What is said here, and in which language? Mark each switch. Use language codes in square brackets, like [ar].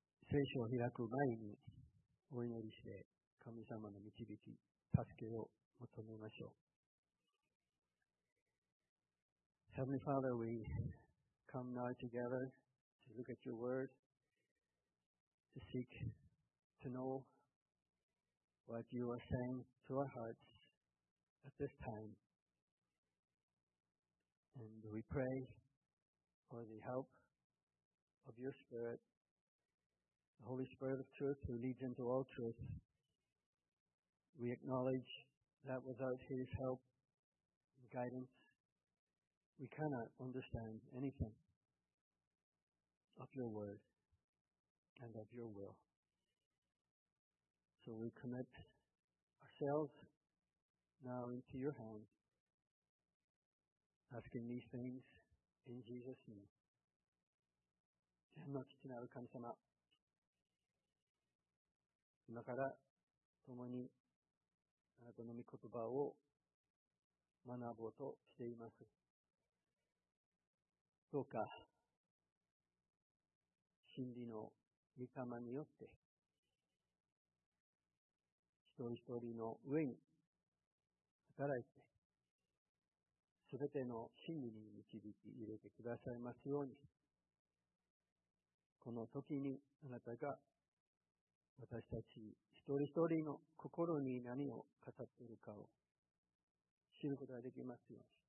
[ja] 聖書を開く前にお祈りして神様の導き、助けを求めましょう。 [en] Heavenly Father, we come now together to look at your word, to seek to know what you are saying to our hearts at this time. And we pray for the help of your Spirit, the Holy Spirit of truth who leads into all truth. We acknowledge that without his help and guidance, we cannot understand anything of your word and of your will. So we commit ourselves now into your hands, asking these things in Jesus' name. [ja] 天の父なる神様、今から共にあなたの御言葉を学ぼうとしています。どうか真理の御霊によって一人一人の上に働いて、すべての真理に導き入れてくださいますように、この時にあなたが私たち一人一人の心に何を語っているかを知ることができますように、